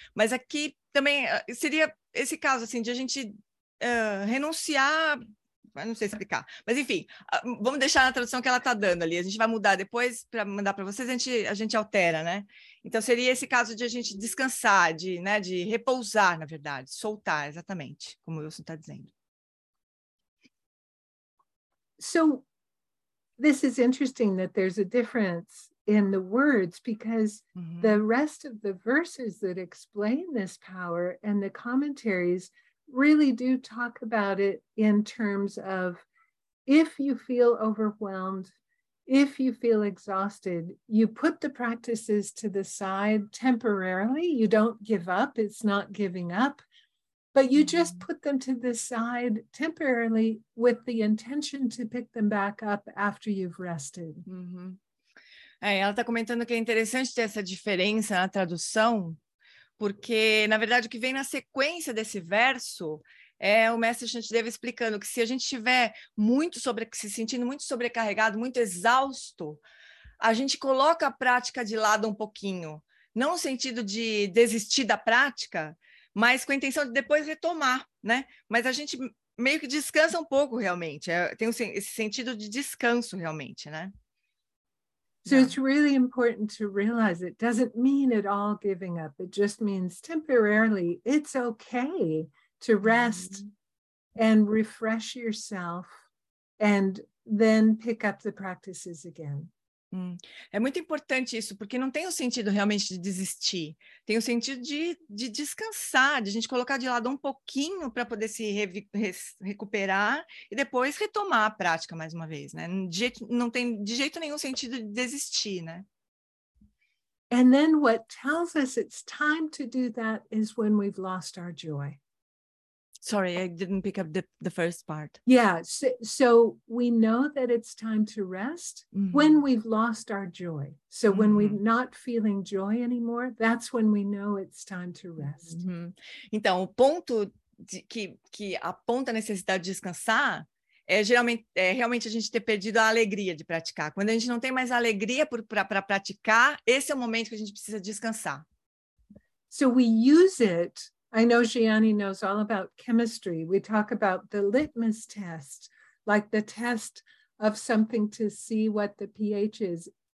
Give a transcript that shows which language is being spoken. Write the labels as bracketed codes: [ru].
[pt] Mas aqui também seria esse caso, assim, de a gente renunciar... Não sei explicar. Mas, enfim, vamos deixar na tradução que ela está dando ali. A gente vai mudar depois para mandar para vocês, a gente altera, né? Então, seria esse caso de a gente descansar, de repousar, na verdade, soltar, exatamente, como o Wilson está dizendo. [en] So, this is interesting that there's a difference in the words, because the rest of the verses that explain this power and the commentaries really do talk about it in terms of, if you feel overwhelmed, if you feel exhausted, you put the practices to the side temporarily. You don't give up. It's not giving up, but you just put them to the side temporarily with the intention to pick them back up after you've rested. [pt] Ela está comentando que é interessante ter essa diferença na tradução, porque, na verdade, o que vem na sequência desse verso é o mestre Shantideva explicando que, se a gente estiver se sentindo muito sobrecarregado, muito exausto, a gente coloca a prática de lado um pouquinho, não no sentido de desistir da prática, mas com a intenção de depois retomar, né? Mas a gente meio que descansa um pouco, realmente, tem esse sentido de descanso, realmente, né? [en] So it's really important to realize it doesn't mean at all giving up. It just means temporarily it's okay to rest and refresh yourself and then pick up the practices again. [pt] É muito importante isso, porque não tem o sentido realmente de desistir. Tem o sentido de descansar, de a gente colocar de lado um pouquinho para poder se recuperar e depois retomar a prática mais uma vez, né? Não tem de jeito nenhum sentido de desistir, né? [en] And then what tells us it's time to do that is when we've lost our joy. Sorry, I didn't pick up the first part. Yeah, so we know that it's time to rest when we've lost our joy. So when we're not feeling joy anymore, that's when we know it's time to rest. [pt] Então, o ponto que aponta a necessidade de descansar é realmente a gente ter perdido a alegria de praticar. Quando a gente não tem mais alegria para praticar, esse é o momento que a gente precisa descansar. [en] So we use it. I know Gianni knows all about chemistry. We talk about the litmus test, like the test of something to see what the pH is.